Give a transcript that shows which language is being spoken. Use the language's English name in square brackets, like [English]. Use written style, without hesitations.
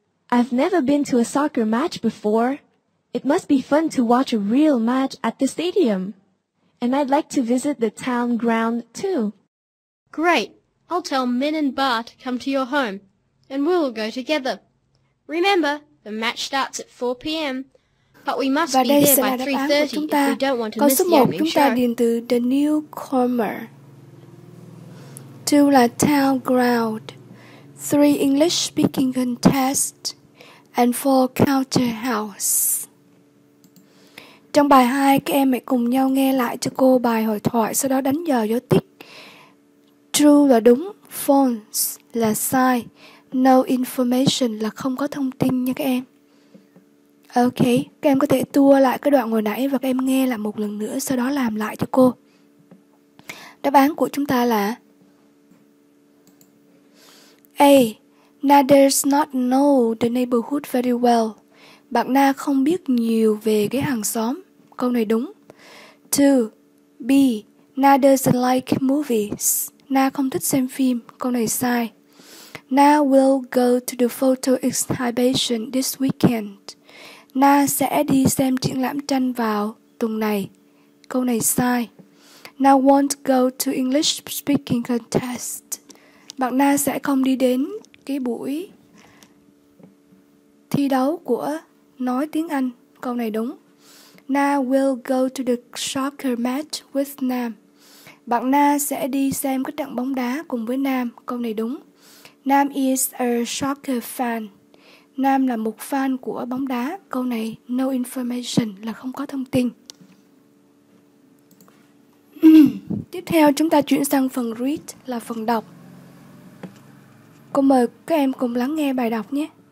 [English] I've never been to a soccer match before. It must be fun to watch a real match at the stadium. And I'd like to visit the town ground too. Great. I'll tell Min and Ba to come to your home. And we'll go together. Remember, the match starts at 4 p.m. But we must [Vietnamese] và [English] be there by 3:30 if we don't want to miss the opening [Vietnamese] Chúng ta điền từ The Newcomer. 2 là Town Ground. [English] 3 English Speaking Contest. And 4 Culture House. [Vietnamese] Trong bài 2, các em hãy cùng nhau nghe lại cho cô bài hội thoại, sau đó đánh giờ dấu tích. True là đúng, false là sai. [English] No information [Vietnamese] là không có thông tin nha các em. Ok, các em có thể tua lại cái đoạn hồi nãy và các em nghe lại một lần nữa, sau đó làm lại cho cô. Đáp án của chúng ta là A. [English] Na does not know the neighborhood very well. [Vietnamese] Bạn Na không biết nhiều về cái hàng xóm. Câu này đúng. [English] 2. B. Na doesn't like movies. [Vietnamese] Na không thích xem phim. Câu này sai. [English] Na will go to the photo exhibition this weekend. [Vietnamese] Na sẽ đi xem triển lãm tranh vào tuần này. Câu này sai. [English] Na won't go to English speaking contest. [Vietnamese] Bạn Na sẽ không đi đến cái buổi thi đấu của nói tiếng Anh. Câu này đúng. [English] Na will go to the soccer match with Nam. [Vietnamese] Bạn Na sẽ đi xem cái trận bóng đá cùng với Nam. Câu này đúng. [English] Nam is a soccer fan. [Vietnamese] Nam là một fan của bóng đá. Câu này, [English] no information, [Vietnamese] là không có thông tin. Tiếp theo, chúng ta chuyển sang phần read, là phần đọc. Cô mời các em cùng lắng nghe bài đọc nhé.